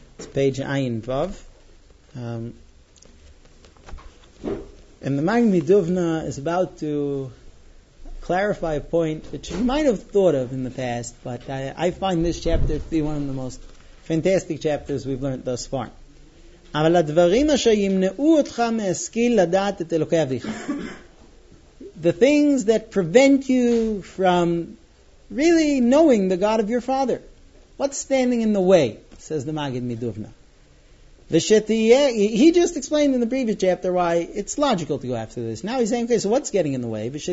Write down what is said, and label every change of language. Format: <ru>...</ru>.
<en>It's page Ayin Vav. And the Magen Midovna is about to clarify a point which you might have thought of in the past, but I find this chapter to be one of the most fantastic chapters we've learned thus far.</en> <he>אבל הדברים אשר ימנעו אותך מהשכיל לדעת את אלוקי אביך.</he> <en>The things that prevent you from really knowing the God of your father. What's standing in the way, says the Magid Midovna. He just explained in the previous chapter why it's logical to go after this. Now he's saying, okay, so what's getting in the way?</en>